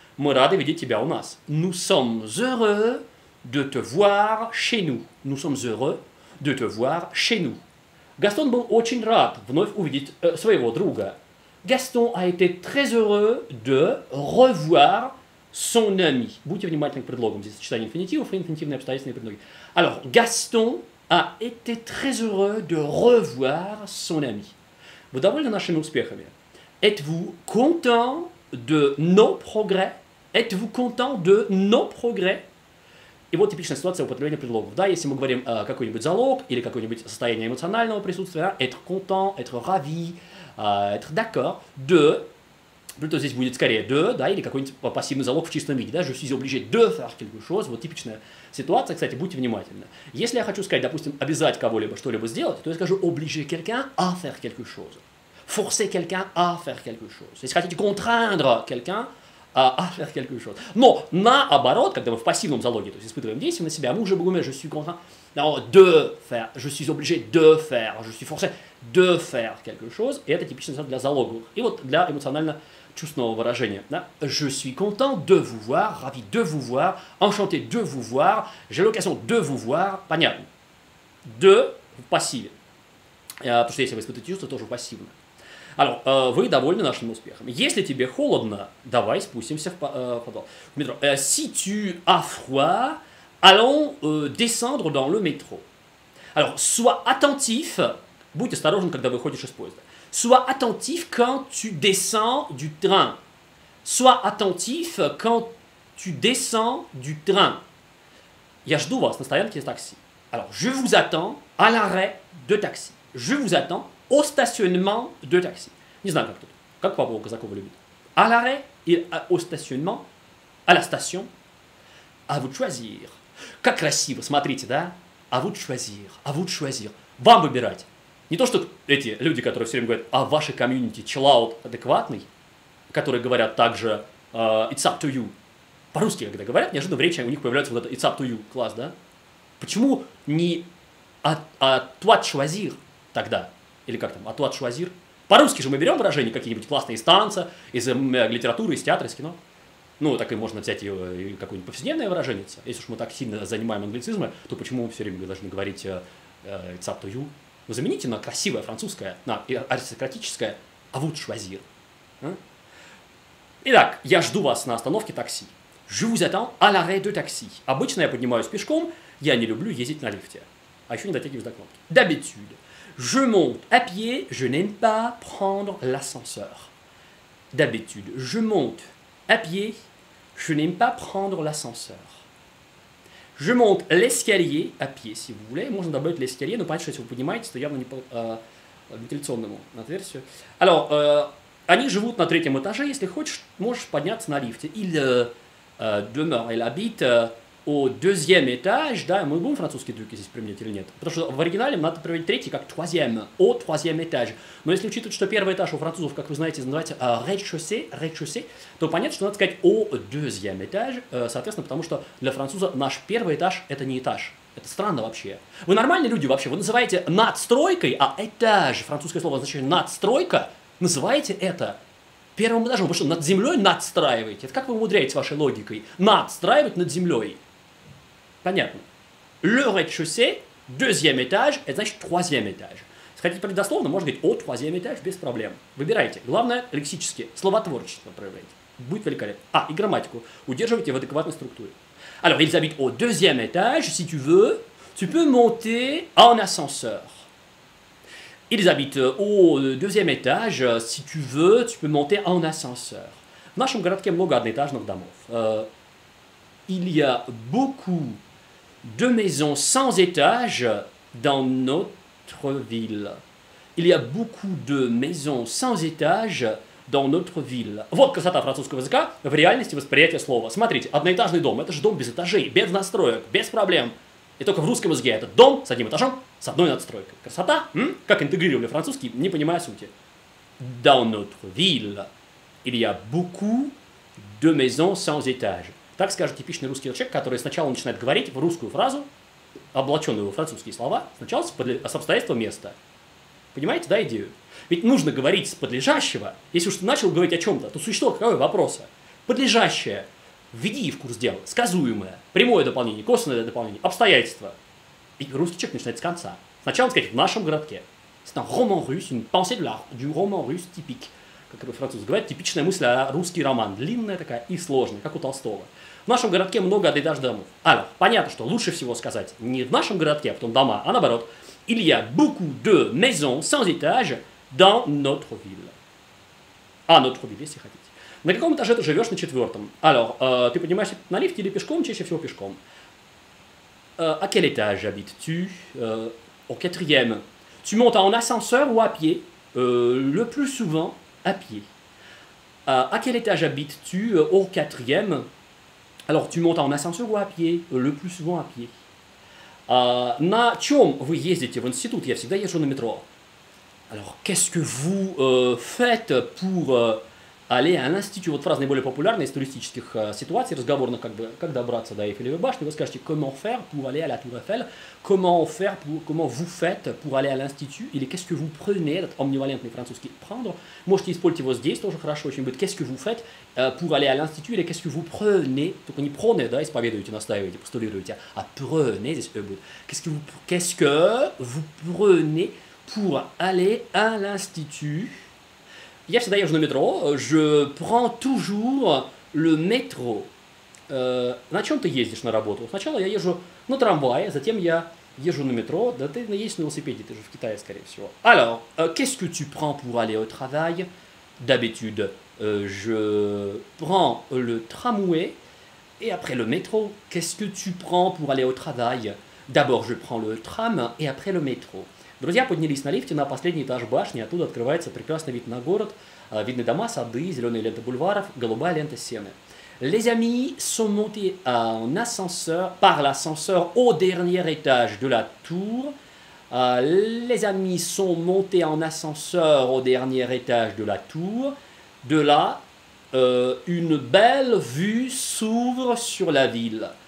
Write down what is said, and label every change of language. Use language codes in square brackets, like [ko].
[ru] Morade vidi tibia omas. [fr] Nous sommes heureux de te voir chez nous. Nous sommes heureux de te voir chez nous. [ru] Gaston был очень рад вновь увидеть своего друга. [fr] Gaston a été très heureux de revoir son ami. [ru] Будьте внимательны к предлогам. Здесь сочетание инфинитивов и инфинитивные обстоятельные предлоги. [fr] Alors, Gaston a été très heureux de revoir son ami. [ru] Вы довольны нашими успехами? [fr] Êtes-vous content de nos progrès? Êtes-vous content de nos progrès? [ru] И вот типичная ситуация употребления предлогов. Да, если мы говорим какой-нибудь залог или какое-нибудь состояние эмоционального присутствия, [fr] être content, être ravi, être d'accord, [ru] de, плюс здесь будет скорее de, да, или какой-нибудь пассивный залог в чистом виде, да, [fr] je suis obligé de faire quelque chose, [ru] вот типичная ситуация, кстати, будьте внимательны. Если я хочу сказать, допустим, обязать кого-либо что-либо сделать, то я скажу [fr] obligé quelqu'un à faire quelque chose. Forcer quelqu'un à faire quelque chose. [ru] Если хотите [fr] contraindre quelqu'un, à faire quelque chose. [ru] Но наоборот, когда мы в пассивном залоге, то есть испытываем действие на себя, мы уже говорим, [fr] je suis contraint de faire, je suis obligé de faire, je suis forcé de faire quelque chose. Et [ru] это типичный для залога. И вот для эмоционально-чувственного выражения. Да? [fr] Je suis content de vous voir, ravi de vous voir, enchanté de vous voir, j'ai l'occasion de vous voir. [ru] Понятно. De, в пассиве. Потому что если вы испытываете чувство, тоже в пассивном. Alors, вы довольны нашим успехом. Если тебе холодно, давай спустимся в метро. [fr] Si tu as froid, allons descendre dans le métro. Alors, sois attentif. [ru] Будь осторожен, когда выходишь из поезда. [fr] Sois attentif quand tu descends du train. Sois attentif quand tu descends du train. [ru] Я жду вас на стоянке такси. [fr] Alors, je vous attends à l'arrêt de taxi. Je vous attends au stationnement de taxi. [ru] Не знаю, как тут. Как папа у Казакова любит. [fr] À l'arrêt et au stationnement. À la station. À vous de choisir. [ru] Как красиво, смотрите, да? [fr] À vous de choisir. À vous de choisir. [ru] Вам выбирать. Не то, что эти люди, которые все время говорят, а ваше комьюнити chillout адекватный, которые говорят также [en] it's up to you. [ru] По-русски, когда говорят, неожиданно в речи у них появляется вот это [en] it's up to you. [ru] Класс, да? Почему не [fr] à toi de choisir [ru] тогда? Или как там, [fr] à toi de choisir? [ru] По-русски же мы берем выражения какие-нибудь классные из танца, из литературы, из театра, из кино. Ну, так и можно взять и какое-нибудь повседневное выражение. Если уж мы так сильно занимаем англицизмы, то почему мы все время должны говорить [en] «it's up to you»? [ru] Ну, замените на красивое французское, на аристократическое [fr] «à vous de choisir». [ru] Итак, я жду вас на остановке такси. [fr] Je vous attends à l'arrêt de taxi. [ru] Обычно я поднимаюсь пешком, я не люблю ездить на лифте. А еще не дотягиваюсь до кнопки. [fr] D'habitude. Je monte à pied, je n'aime pas prendre l'ascenseur. D'habitude, je monte à pied, je n'aime pas prendre l'ascenseur. Je monte l'escalier à pied, si vous voulez. [ru] Можно добавить l'escalier, но понятно, что если вы понимаете, то явно не по вентиляционному отверстию. Alors, они живут на третьем этаже. Если хочешь, можешь подняться на лифте. [fr] Ils demeurent, ils habitent au deuxième étage, [ru] да, мы будем французский трюк здесь применять или нет? Потому что в оригинале надо проверить третий как troisième, [fr] au troisième étage. [ru] Но если учитывать, что первый этаж у французов, как вы знаете, называется rez-de-chaussée, то понятно, что надо сказать [fr] au deuxième étage, [ru] соответственно, потому что для француза наш первый этаж – это не этаж. Это странно вообще. Вы нормальные люди вообще, вы называете надстройкой, а этаж, французское слово означает надстройка, называете это первым этажом, потому что над землей надстраиваете. Это как вы умудряетесь вашей логикой? Надстраивать над землей. Понятно. [fr] Le rez-de-chaussée, deuxième étage, [ru] это значит [fr] troisième étage. [ru] Если хотите понять дословно, можно говорить [fr] au troisième étage [ru] без проблем. Выбирайте. Главное, лексически, словотворчество проявляйте. Будет великолепно. А, и грамматику. Удерживайте в адекватной структуре. [fr] Alors, ils habitent au deuxième étage, si tu veux, tu peux monter en ascenseur. Ils habitent au deuxième étage, si tu veux, tu peux monter en ascenseur. [ru] В нашем городке много одноэтажных домов. [fr] Il y a beaucoup de maisons sans étage dans notre ville. Il y a beaucoup de maisons sans étage dans notre ville. [ru] Вот красота французского языка в реальности восприятия слова. Смотрите, одноэтажный дом, это же дом без этажей, без настроек, без проблем. И только в русском языке это дом с одним этажом, с одной надстройкой. Красота, как интегрировали французский, не понимая сути. [fr] Dans notre ville, il y a beaucoup de maisons sans étage. [ru] Так скажет типичный русский человек, который сначала начинает говорить в русскую фразу, облаченную во французские слова, сначала с обстоятельства места. Понимаете, да, идею? Ведь нужно говорить с подлежащего. Если уж ты начал говорить о чем-то, то существо какого вопроса? Подлежащее. Введи в курс дела. Сказуемое. Прямое дополнение, косвенное дополнение, обстоятельства. И русский человек начинает с конца. Сначала сказать «в нашем городке». [fr] C'est un roman russe, une pensée de l'art, du roman russe typique. [ru] Как французы говорят, типичная мысль, а русский роман. Длинная такая и сложная, как у Толстого. В нашем городке много одноэтажных домов. Alors, понятно, что лучше всего сказать не «в нашем городке», а потом «дома», а наоборот. [fr] Il y a beaucoup de maisons sans étage dans notre ville. [ru] А, [fr] notre ville, [ru] если хотите. На каком этаже ты живешь на четвертом? Alors, ты поднимаешься на лифте или пешком? Чаще всего пешком. [fr] À quel étage habites-tu? Au quatrième. Tu montes en ascenseur ou à pied? Le plus souvent, à pied. À quel étage habites-tu? Au quatrième. Alors, tu montes en ascenseur ou à pied? Le plus souvent, à pied. [ru] На чем вы ездите в институт? Я всегда езжу на метро. [fr] Alors, qu'est-ce que vous faites pour aller à l'institut? [ru] Вот фраза наиболее популярная из туристических ситуаций, разговорных, как бы, как добраться до Эйфелевой башни. Вы скажете, [fr] comment faire pour aller à la Tour Eiffel? Comment vous faites pour aller à l'institut? [ru] Или [fr] qu'est-ce que vous prenez? [ru] Этот омнивалентный французский prendre. Можете использовать его здесь, тоже хорошо очень будет. [fr] Qu'est-ce que vous faites pour aller à l'institut? [ru] Или [fr] qu'est-ce que vous prenez? [ru] Только не prenez, да, исповедуете, настаиваете, постулируете. А prenez, здесь будет. [fr] Qu'est-ce que vous prenez pour aller à l'institut? [ru] Я всегда езжу на метро. [fr] Je prends toujours le métro. [ru] На чем ты ездишь на работу? Сначала я езжу на трамвае, затем я езжу на метро. Да ты ездишь на велосипеде, ты же в Китае, скорее всего. [fr] Alors, qu'est-ce que tu prends pour aller au travail? D'habitude, je prends le tramway. Et après le métro, qu'est-ce que tu prends pour aller au travail? D'abord, je prends le tram et après le métro. [ru] Друзья поднялись на лифте на последний этаж башни, оттуда открывается прекрасный вид на город, видны дома, сады, зеленые ленты бульваров, голубая лента сены. [fr] Les amis sont montés en ascenseur, par l'ascenseur au dernier étage de la tour. Les amis sont montés en ascenseur au dernier étage de la tour. De là, une belle vue s'ouvre sur la ville.